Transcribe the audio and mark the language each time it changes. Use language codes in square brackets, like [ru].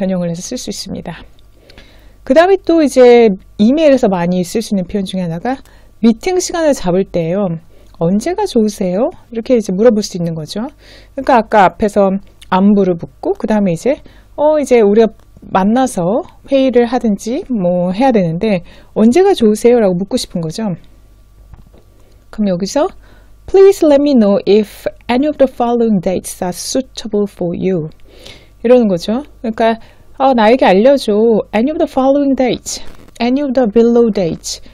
[ko] 변형을 해서 쓸수 있습니다. 그 다음에 또 이제 이메일에서 많이 쓸수 있는 표현 중에 하나가 미팅 시간을 잡을 때예요. 언제가 좋으세요? 이렇게 이제 물어볼 수 있는 거죠. 그러니까 아까 앞에서 안부를 묻고 그 다음에 이제 우리가 만나서 회의를 하든지 뭐 해야 되는데 언제가 좋으세요? 라고 묻고 싶은 거죠. 그럼 여기서 [en] Please let me know if any of the following dates are suitable for you. [ko] 이러는 거죠. 그러니까 나에게 알려줘. [en] Any of the following dates, any of the below dates.